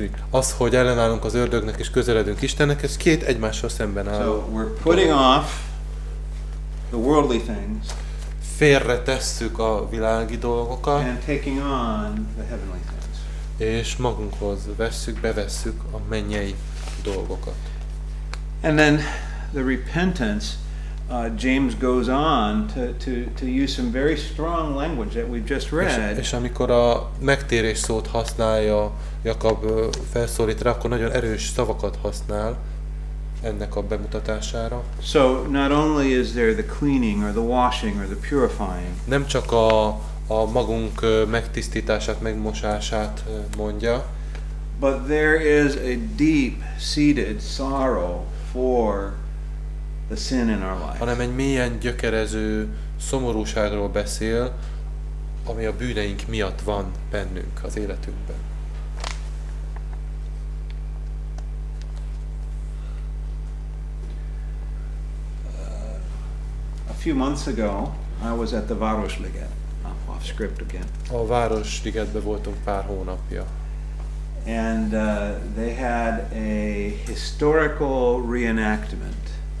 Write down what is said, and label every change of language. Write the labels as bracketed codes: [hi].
[hu] Az, hogy ellenállunk az ördögnek és közeledünk Istennek, ez két egymással szemben áll. [en] So we're putting off the worldly things. [hu] Félretesszük a világi dolgokat. [en] And taking on the heavenly things. [hu] És magunkhoz vesszük, bevesszük a mennyei dolgokat. [en] And then the repentance, James goes on to use some very strong language that we've just read. [hu] És amikor a megtérés szót használja, Jakab felszólít rá, akkor nagyon erős szavakat használ ennek a bemutatására. [en] So not only is there the cleaning or the washing or the purifying. [hu] Nem csak a magunk megtisztítását, megmosását mondja. [en] But there is a deep seated sorrow for the sin in our life. [hu] Hanem egy mélyen gyökerező szomorúságról beszél, ami a bűneink miatt van bennünk az életünkben. [en] A few months ago, I was at the Városliget. Script again. [hu] A Városligetben voltunk pár hónapja. [en] And they had a historical reenactment.